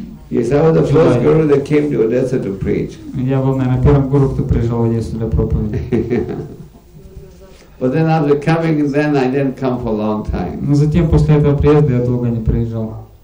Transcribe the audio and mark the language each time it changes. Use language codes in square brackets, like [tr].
[en] Yes, I was the first guru that came to Odessa to preach. [ru] Я был, наверное, первым гуру, кто приезжал в Одессу для проповеди. [en] But then after coming, then I didn't come for a long time. [ru] Но затем после этого приезда я долго не приезжал.